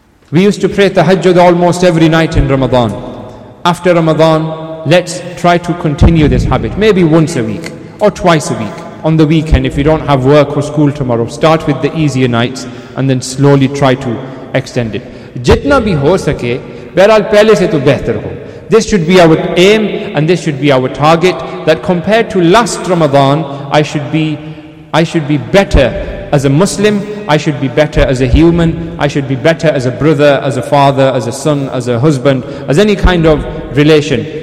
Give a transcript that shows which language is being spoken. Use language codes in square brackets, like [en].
[en] We used to pray Tahajjud almost every night in Ramadan. After Ramadan, let's try to continue this habit, maybe once a week or twice a week. On the weekend, if you don't have work or school tomorrow, start with the easier nights and then slowly try to extend it. [ur] جتنا بھی ہو سکے، بہرال پہلے سے تو بہتر ہو۔ [en] This should be our aim and this should be our target, that compared to last Ramadan, I should be better as a Muslim, I should be better as a human, I should be better as a brother, as a father, as a son, as a husband, as any kind of relation.